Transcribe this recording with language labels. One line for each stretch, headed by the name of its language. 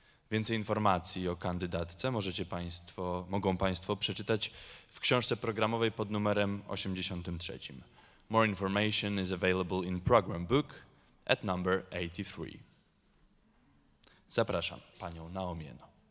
Polish: Więcej informacji o kandydatce mogą Państwo przeczytać w książce programowej pod numerem 83.
English: More information is available in program book at number 83.
Polish: Zapraszam panią Nao Mieno.